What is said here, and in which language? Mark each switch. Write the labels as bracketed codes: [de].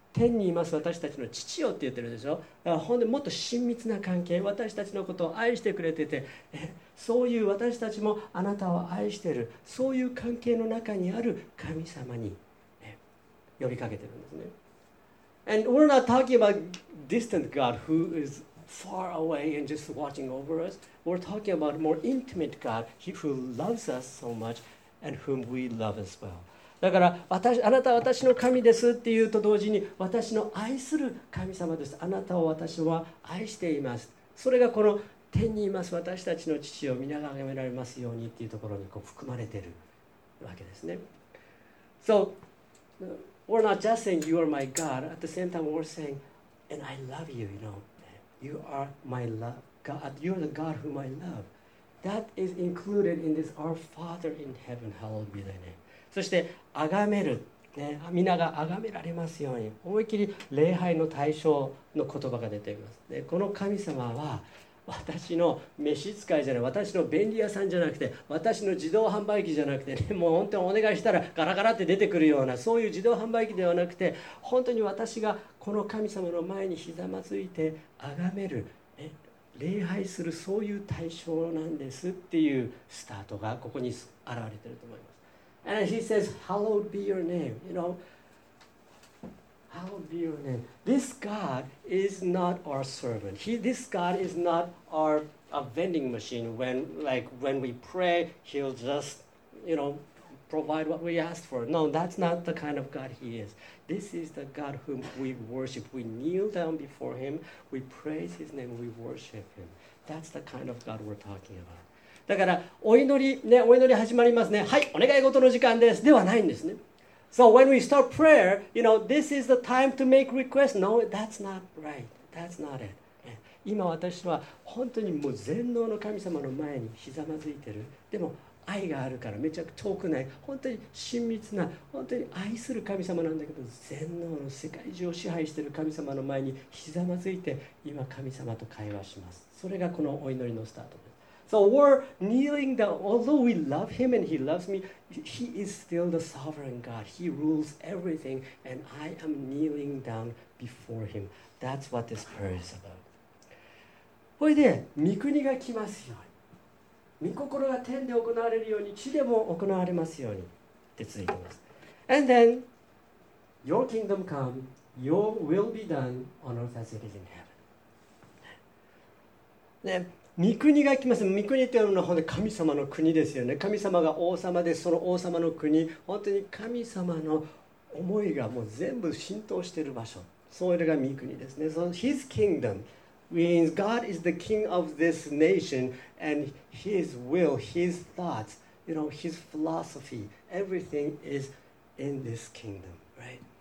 [ja] 天にいます私たちの父よって言ってるでしょ。だから本当にもっと親密な関係、私たちのことを愛してくれてて、そういう私たちもあなたを愛してる、そういう関係の中にある神様に、ね、呼びかけてるんですね。 [en] And we're not talking about distant God who is far away and just watching over us. We're talking about more intimate God who loves us so much and whom we love as well. [ja] だから私あなたは私の神ですって言うと同時に私の愛する神様ですあなたを私は愛していますそれがこの天にいます私たちの父を皆が崇められますようにっていうところにこう含まれているわけですね。 [en] So we're not just saying you are my God at the same time we're saying and I love you you know you are my love God you're the God whom I love That is included in this our Father in heaven, hallowed be thy name. [ja] そして崇める、ね、皆が崇められますように、思いっきり礼拝の対象の言葉が出ています。でこの神様は私の召使いじゃない、私の便利屋さんじゃなくて、私の自動販売機じゃなくて、ね、もう本当にお願いしたらガラガラって出てくるようなそういう自動販売機ではなくて、本当に私がこの神様の前にひざまずいて崇める、ね、礼拝する、そういう対象なんですっていうスタートがここに現れていると思います。 [en] And he says, Hallowed be your name. You know, Hallowed be your name. This God is not our servant. This God is not our a vending machine. When we pray, he'll just, you know, provide what we asked for. No, that's not the kind of God he is. This is the God whom we worship. We kneel down before him. We praise his name. We worship him. That's the kind of God we're talking about. [ja] だからお祈り、ね、お祈り始まりますね。はい、お願い事の時間です。ではないんですね。 [en] So when we start prayer, you know, this is the time to make requests. No, that's not right. That's not it.、 [ja] ね、今私は本当にもう全能の神様の前にひざまずいてる。でも愛があるからめちゃくちゃ遠くない。本当に親密な、本当に愛する神様なんだけど、全能の世界中を支配している神様の前にひざまずいて、今神様と会話します。それがこのお祈りのスタートです。 [en] So we're kneeling down, although we love him and he loves me, he is still the sovereign God. He rules everything and I am kneeling down before him. That's what this prayer is about. [ja] これで、御国が来ますように。御心が天で行われるように、地でも行われますように。って続いてます。 [en] And then, your kingdom come, your will be done on earth as it is in heaven. [ja] ね。御国が来ます。御国というのは神様の国ですよね。神様が王様で、その王様の国、本当に神様の思いがもう全部浸透している場所、それが御国ですね。 [en] So his kingdom means God is the king of this nation and his will, his thoughts, you know, his philosophy, everything is in this kingdom, right?